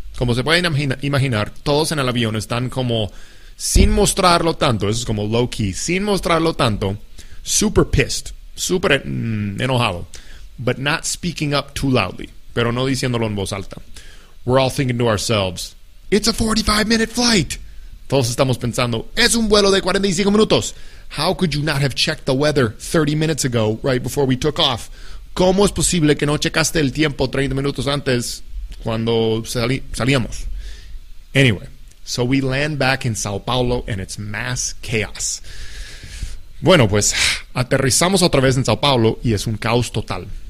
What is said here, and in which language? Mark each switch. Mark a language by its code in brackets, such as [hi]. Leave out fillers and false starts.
[es] Como se pueden imaginar, todos en el avión están como, sin mostrarlo tanto, eso es como low-key, sin mostrarlo tanto, [en] super pissed, [es] super enojado, [en] but not speaking up too loudly, [es] pero no diciéndolo en voz alta. [en] We're all thinking to ourselves, it's a 45-minute flight. [es] Todos estamos pensando, es un vuelo de 45 minutos. [en] How could you not have checked the weather 30 minutes ago, right before we took off? [es] ¿Cómo es posible que no checaste el tiempo 30 minutos antes cuando salíamos? [en] Anyway, so we land back in Sao Paulo and it's mass chaos. [es] Bueno, pues aterrizamos otra vez en Sao Paulo y es un caos total.